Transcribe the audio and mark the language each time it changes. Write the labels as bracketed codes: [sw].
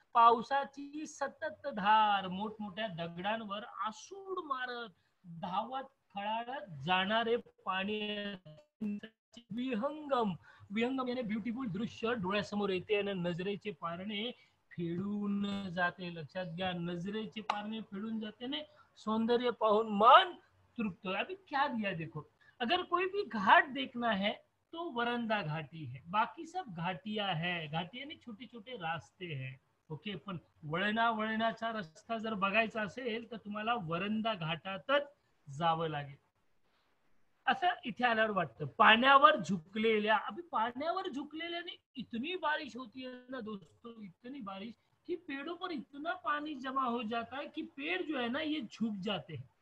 [mr] पावसाची सतत धार मोठमोठ्या दगडांवर आसूड मारत धावत खळाळत जाणारे पाणी, विहंगम विहंगम यानी ब्युटिफुल दृश्य डोळ्यासमोर येते आणि नजरेचे पारणे फेडून जाते. लक्षात घ्या, नजरेचे पारणे फेडून जाते ने सौंदर्य पाहून मन तृप्त. [hi] अभी क्या दिया देखो, अगर कोई भी घाट देखना है तो वरंदा घाटी है, बाकी सब घाटिया है. घाटिया ने छोटे छोटे रास्ते है. [mr] ओके, पण वळणा वळणाचा रस्ता जर बघायचा असेल तर तुम्हाला वरंदा घाटातच जावं लागेल असं इथे आल्यावर वाटतं. पाण्यावर झुकलेल्या, [hi] अभी पाण्यावर झुकलेल्याने इतनी बारिश होती है ना दोस्तों, इतनी बारिश कि पेड़ों पर इतना पानी जमा हो जाता है कि पेड़ जो है ना ये झुक जाते हैं.